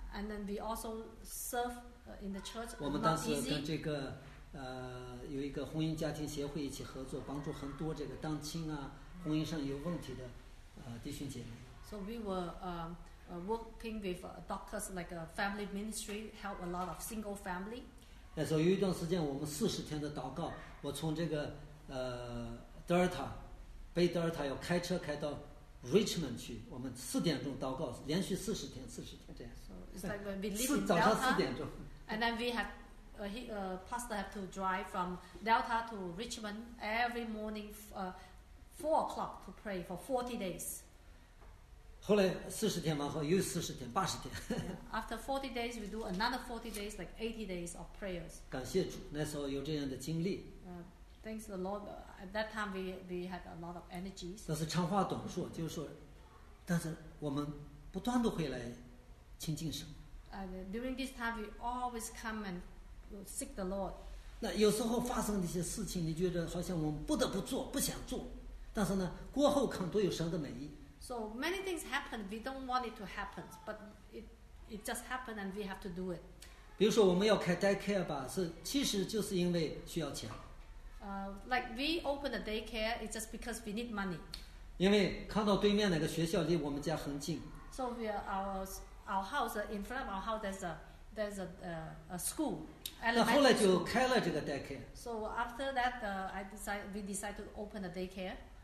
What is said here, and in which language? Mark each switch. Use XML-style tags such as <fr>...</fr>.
<en>And then we also serve in the church.</en> <zh>我们当时跟这个有一个婚姻家庭协会一起合作，帮助很多这个单亲啊、婚姻上有问题的弟兄姐妹。</zh> <en>So we were working with doctors like a family ministry, help a lot of single family.</en> <zh>那时候有一段时间，我们40天的祷告，我从这个Delta, Bay Delta 要开车开到 Richmond 去，我们4点钟祷告，连续40天，40天这样。</zh> <en>So it's like when we live in Delta.</en> <zh>早上4点钟。</zh> <en>And then we have a pastor have to drive from Delta to Richmond every morning, 4 o'clock to pray for 40 days.</en> <zh>后来40天完后又40天，80天。</zh> <en>Yeah, after 40 days, we do another 40 days, like 80 days of prayers.</en> <zh>感谢主，那时候有这样的精力。</zh> <en>Thanks the Lord. At that time, we had a lot of energies.</en> <zh>但是长话短说，就是说，但是我们不断的会来亲近神。</zh> <en>During this time, we always come and seek the Lord.</en> <zh>那有时候发生的一些事情，你觉得好像我们不得不做，不想做，但是呢，过后看都有神的美意。</zh> <en>So many things happen. We don't want it to happen, but it just happened, and we have to do it.</en> <zh>比如说我们要开 daycare 吧，是其实就是因为需要钱。</zh> <en>Like we open a daycare, it's just because we need money.</en> <zh>因为看到对面那个学校离我们家很近。</zh> <en>So we are our house in front of our house. There's a school.</en> <zh>那后来就开了这个 daycare.</zh> <en>So after that, we decided to open a daycare.</en>